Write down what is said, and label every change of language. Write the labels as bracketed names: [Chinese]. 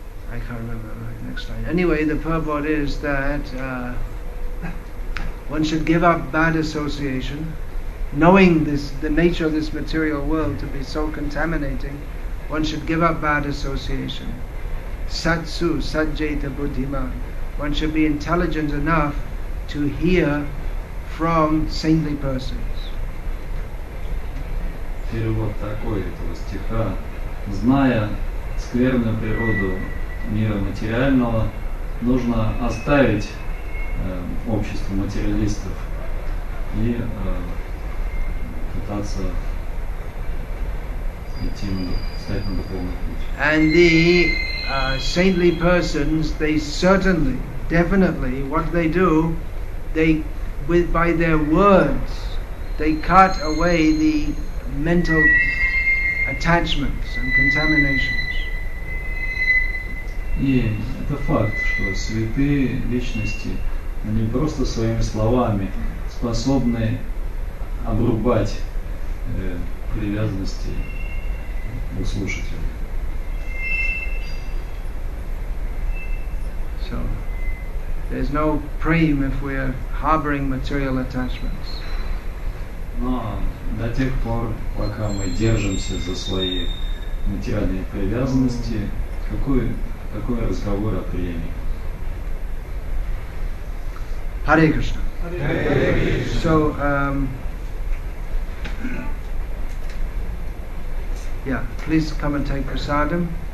[English] I can't remember the next line. Anyway, the purport is that one should give up bad association, knowing this, the nature of this material world to be so contaminating, one should give up bad association. [Sanskrit] Satsu, sadjeta buddhiman. [English] One should be intelligent enough to hear from saintly persons. [Russian] Перевод такой этого стиха. Зная скверную природу мира материального, нужно оставить общество материалистов и пытаться идти стать на духовный путь. [English] And the saintly persons, they certainly, definitely, what they do, they with by their words they cut away the mental attachments and contaminations. [Russian] И это факт, что святые личности, они просто своими словами способны обрубать привязанности у слушателей. [English] So there's no prem if we are harboring material attachments. [Russian] Но до тех пор, пока мы держимся за свои материальные привязанности, какой разговор о преме? [English] Hare Krishna. Hare Krishna. So, please come and take prasadam.